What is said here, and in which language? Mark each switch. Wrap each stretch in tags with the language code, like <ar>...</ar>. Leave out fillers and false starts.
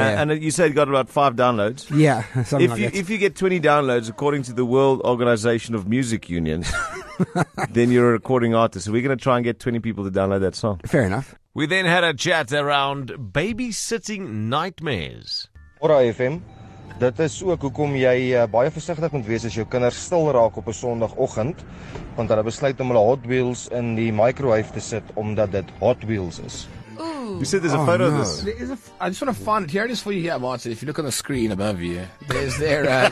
<en>And you said you got about 5 downloads. Yeah, something if like you, that. If you get 20 downloads, according to the World Organization of Music Unions, then you're a recording artist. So we're going to try and get 20 people to download that song. Fair enough. We then had a chat around babysitting nightmares.</en> <af>Ora FM, dit is ook hoekom jy baie versigtig moet wees as jou kinders stil raak op 'n Sondagoggend, want hulle besluit om hulle Hot Wheels in die microwave te sit omdat dit Hot Wheels is.</af> <en>You said there's a photo of this. There is I just want to find it. Here it is for you here, Martin. If you look on the screen above you, there's there.</en>